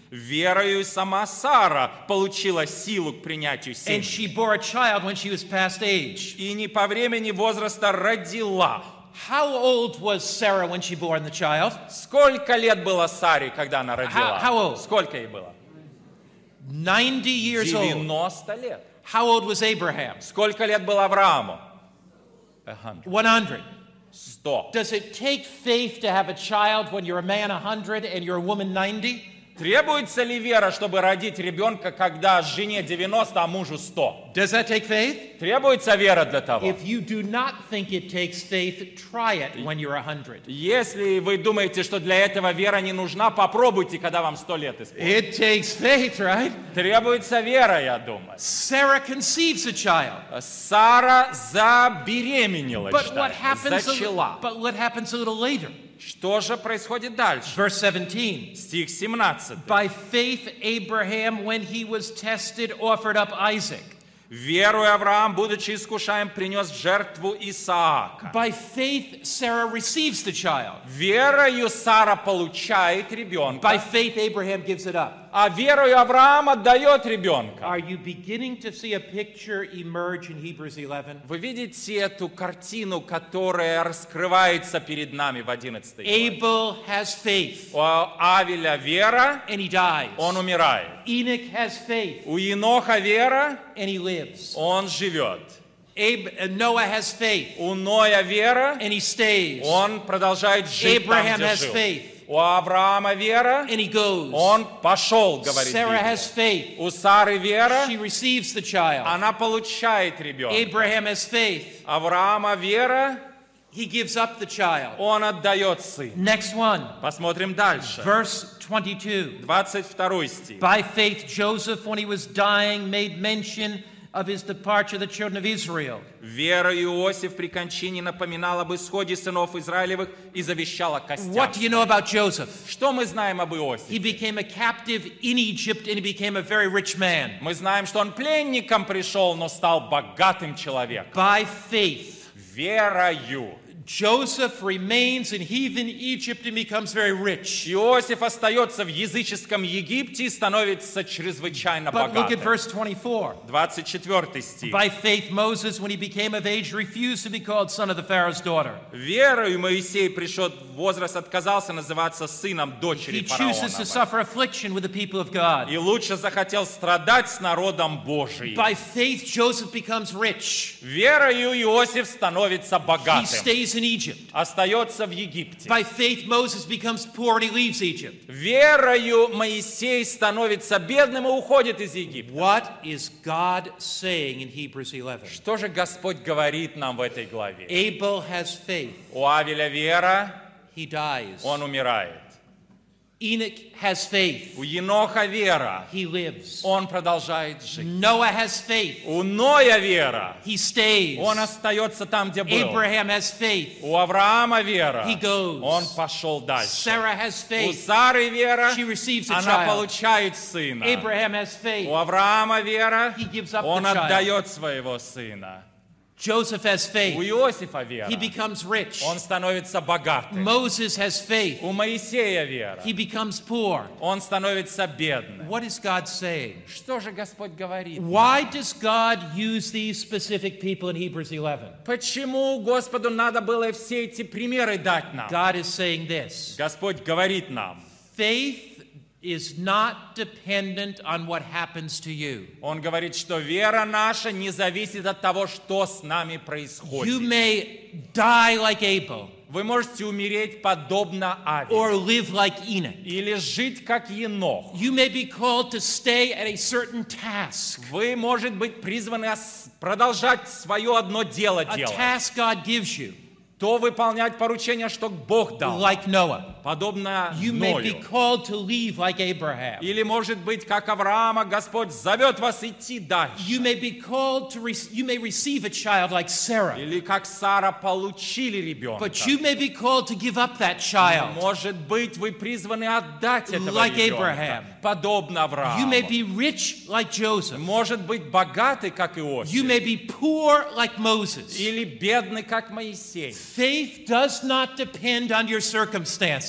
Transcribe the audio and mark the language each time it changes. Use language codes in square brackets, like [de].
[ru] Верою сама Сара получила силу к принятию семени. [en] And she bore a child when she was past age. [ru] И не по времени возраста родила. [en] How old was Sarah when she bore the child? [ru] Сколько лет было Саре, когда она родила? [en] How old? [ru] Сколько ей было? [en] 90 years old. [ru] 90 лет. [en] How old was Abraham? [ru] Сколько лет было Аврааму? [en] 100. [ru] 100. [en] Does it take faith to have a child when you're a man 100 and you're a woman 90? [ru] Требуется ли вера, чтобы родить ребенка, когда жене 90, а мужу 100? [en] Does that take faith? [ru] Требуется вера для того. [en] If you do not think it takes faith, try it when you're 100. [ru] Если вы думаете, что для этого вера не нужна, попробуйте, когда вам 100 лет исполнится. [en] It takes faith, right? [ru] Требуется вера, я думаю. [en] Sarah conceives a child. [ru] Сара забеременела, [en] but [ru] считай, [en] what happens [ru] зачала. [en] But what happens a little later? [ru] Что же происходит дальше? [en] Verse 17. [ru] Стих 17. [en] By faith Abraham, when he was tested, offered up Isaac. [ru] Верой Авраам, будучи искушаем, принес жертву Исаака. [en] By faith Sarah receives the child. [ru] Верою Сара получает ребенка. [en] By faith Abraham gives it up. [ru] А верою Авраам отдает ребенка. [en] Are you beginning to see a picture emerge in Hebrews 11? [ru] Вы видите эту картину, которая раскрывается перед нами в 11 главе? [en] Abel has faith. [ru] У Авеля вера. [en] And he dies. [ru] Он умирает. [en] Enoch has faith. [ru] У Еноха вера. [en] And he lives. [ru] Он живет. [en] Noah has faith. [ru] У Ноя вера. [en] And he stays. [ru] Он продолжает жить [en] Abraham [ru] там, где [en] has [ru] жил. [en] Faith. [ru] У Авраама вера. [en] And he goes. [ru] Он пошел, говорит [en] Sarah [ru] Библия. [en] Has faith. [ru] У Сары вера. [en] She receives the child. [ru] Она получает ребенка. [en] Abraham has faith. [ru] Авраама вера. [en] He gives up the child. [ru] Он отдает сына. [en] Next one. [ru] Посмотрим дальше. [en] Verse 22. [ru] 22 стих. [en] By faith Joseph, when he was dying, made mention of his departure of the children of Israel. [ru] Вера Иосиф при кончине напоминал об исходе сынов Израилевых и завещал о костях. [en] What do you know about Joseph? [ru] Что мы знаем об Иосифе? [en] He became a captive in Egypt and he became a very rich man. [ru] Мы знаем, что он пленником пришел, но стал богатым человеком. [en] By faith. [ru] Верою. [en] Joseph remains in heathen Egypt and becomes very rich. [ru] Иосиф остается в языческом Египте и становится чрезвычайно богатым. [en] But look at verse 24. [ru] 24 стих. [en] By faith Moses, when he became of age, refused to be called son of the Pharaoh's daughter. [ru] Верою Моисей пришел в возраст, отказался называться сыном дочери фараона. [en] He chooses to suffer affliction with the people of God. [ru] И лучше захотел страдать с народом Божиим. [en] By faith Joseph becomes rich. [ru] Верою Иосиф становится богатым. [en] In Egypt. [ru] Остается в Египте. [en] By faith Moses becomes poor and he leaves Egypt. [ru] Верою Моисей становится бедным и уходит из Египта. [en] What is God saying in Hebrews 11? [ru] Что же Господь говорит нам в этой главе? [en] Abel has faith. [ru] У Авеля вера. [en] He dies. [ru] Он умирает. [en] Enoch has faith. [ru] У Еноха вера. [en] He lives. [ru] Он продолжает жить. [en] Noah has faith. [ru] У Ноя вера. [en] He stays. [ru] Он остается там, где был. [en] Abraham has faith. [ru] У Авраама вера. [en] He goes. [ru] Он пошел дальше. [en] Sarah has faith. [ru] У Сары вера. [en] She receives a child. [ru] Она получает сына. [en] Abraham has faith. [ru] У Авраама вера. [en] He gives up the child. [ru] Он отдает своего сына. [en] Joseph has faith. [ru] У Иосифа вера. [en] He becomes rich. [ru] Он становится богатым. [en] Moses has faith. [ru] У Моисея вера. [en] He becomes poor. [ru] Он становится бедным. [en] What is God saying? [ru] Что же Господь говорит? [en] Why does God use these specific people in Hebrews 11? [ru] Почему Господу надо было все эти примеры дать нам? [en] God is saying this. [ru] Господь говорит нам. [en] Faith is not dependent on what happens to you. [ru] Он говорит, что вера наша не зависит от того, что с нами происходит. [en] You may die like Abel. [ru] Вы можете умереть подобно Авелю. [en] Or live like Enoch. [ru] Или жить как Енох. [en] You may be called to stay at a certain task. [ru] Вы, может быть, призваны продолжать свое одно дело делать. [en] A task God gives you. [ru] То выполнять поручение, что Бог дал. [en] Like Noah. [ru] Подобно [en] you [ru] Ною. [en] May be called to leave like Abraham. [ru] Или, может быть, как Авраама, Господь зовет вас идти дальше. [en] You may be called to you may receive a child like Sarah. [ru] Или как Сара получили ребенка. [en] But you may be called to give up that child. [ru] Может быть, вы призваны отдать этого [en] like [ru] ребенка. [en] Abraham. [ru] Подобно Аврааму. [en] You may be rich like Joseph. [ru] Может быть, богатый, как Иосиф. [en] You may be poor like Moses. [ru] Или бедный, как Моисей. [en] Faith does not depend on your circumstances.